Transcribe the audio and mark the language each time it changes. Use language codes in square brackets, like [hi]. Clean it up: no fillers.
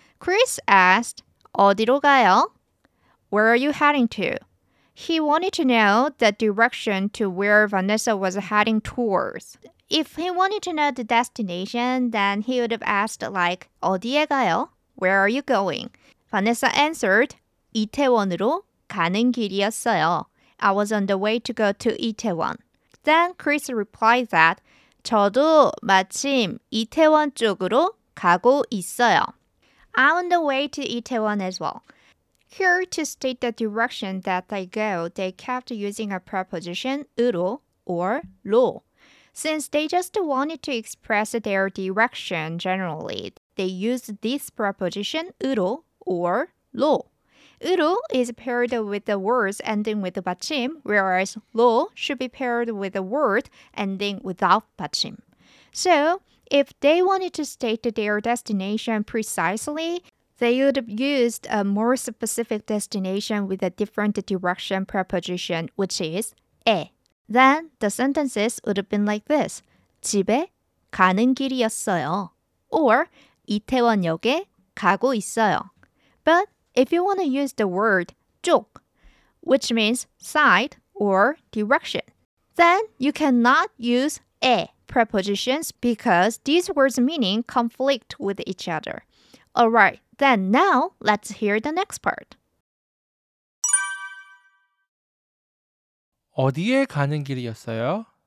[en] Chris asked, [ko] 어디로 가요? [en] Where are you heading to? He wanted to know the direction to where Vanessa was heading towards. If he wanted to know the destination, then he would have asked like, [ko] 어디에 가요? [en] Where are you going? Vanessa answered, [ko] 이태원으로 가는 길이었어요. [en] I was on the way to go to Itaewon. Then Chris replied that, [ko] 저도 마침 이태원 쪽으로 가고 있어요. [en] I'm on the way to Itaewon as well. Here, to state the direction that they go, they kept using a preposition 으로 or 로. Since they just wanted to express their direction generally, they used this preposition 으로 or 로. 으로 is paired with the words ending with 받침, whereas 로 should be paired with the word ending without 받침. So, if they wanted to state their destination precisely, they would have used a more specific destination with a different direction preposition, which is 에. Then, the sentences would have been like this. [ko] 집에 가는 길이었어요. [en] Or, [ko] 이태원역에 가고 있어요. [en] But, if you want to use the word 쪽, which means side or direction, then you cannot use 에 prepositions because these words' meaning conflict with each other. Alright, then now let's hear the next part. [ko] 어디에 가는 길이었어요?